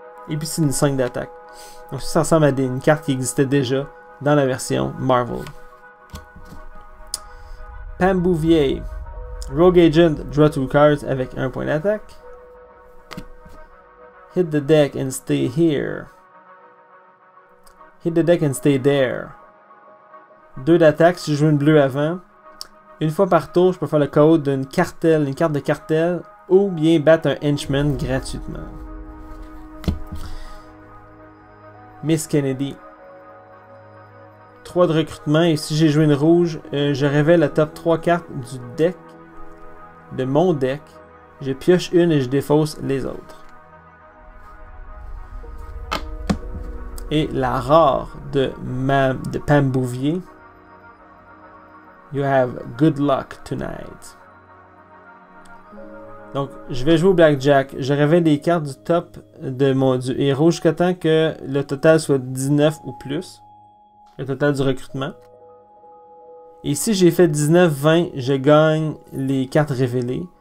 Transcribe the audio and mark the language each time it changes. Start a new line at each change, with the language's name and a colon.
French: Et puis c'est une 5 d'attaque. Donc ça ressemble à une carte qui existait déjà dans la version Marvel. Pam Bouvier. Rogue Agent,
English: draw 2 cards
French: avec 1 point d'attaque.
English: Hit the deck and stay here. Hit the deck and stay there.
French: 2 d'attaque si je joue une bleue avant. Une fois par tour, je peux faire le KO d'une cartel, une carte de cartel, ou bien battre un henchman gratuitement. Miss Kennedy. 3 de recrutement et si j'ai joué une rouge, je révèle la top 3 cartes du deck, de mon deck. Je pioche une et je défausse les autres. Et la rare de Pam Bouvier.
English: You have good luck tonight.
French: Donc, je vais jouer au blackjack. Je révèle des cartes du top de mon du héros jusqu'à temps que le total soit 19 ou plus. Le total du recrutement. Et si j'ai fait 19-20, je gagne les cartes révélées.